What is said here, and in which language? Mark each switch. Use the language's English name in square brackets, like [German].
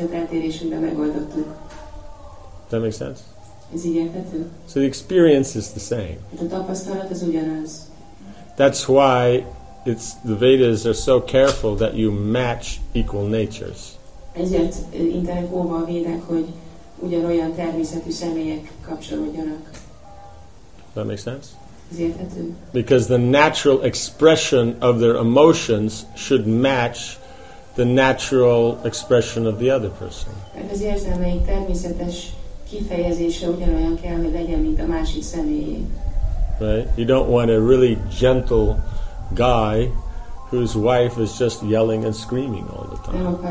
[English] That makes sense? So the experience is the same. That's why it's the Vedas are so careful that you match equal natures. [Hungarian] Ezért internet óva a védek, hogy ugyanolyan természetű személyek kapcsolódjanak. [English] That makes sense? [Hungarian] Ez érthető? [English] Because the natural expression of their emotions should match the natural expression of the other person. [Hungarian] Mert az érzelmeik természetes kifejezése ugyanolyan kell, hogy legyen, mint a másik személyé. [English] Right? You don't want a really gentle guy whose wife is just yelling and screaming all the time.